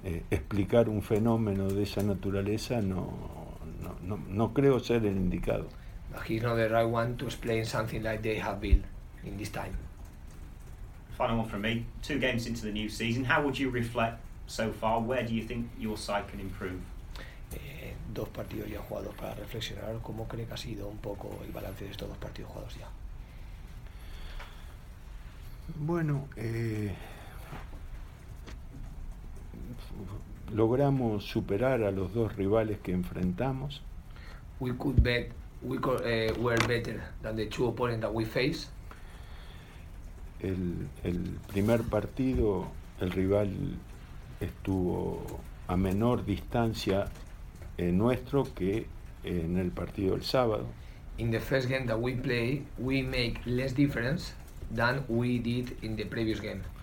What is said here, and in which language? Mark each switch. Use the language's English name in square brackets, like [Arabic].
[Spanish] Explicar un fenómeno de esa naturaleza no creo ser el indicado. [English] But he's not the right one to explain something like they have been in this time. Final one from me. Two games into the new season, how would you reflect so far? Where do you think your side can improve? [Spanish] Dos partidos ya jugados para reflexionar. ¿Cómo cree que ha sido un poco el balance de estos dos partidos jugados ya? Bueno. Logramos superar a los dos rivales que enfrentamos. [English] We could bet we could, were better than the two opponents that we faced. [Spanish] El primer partido el rival estuvo a menor distancia nuestro que en el partido del sábado. [English] In the first game that we play, we make less difference than we did in the previous game.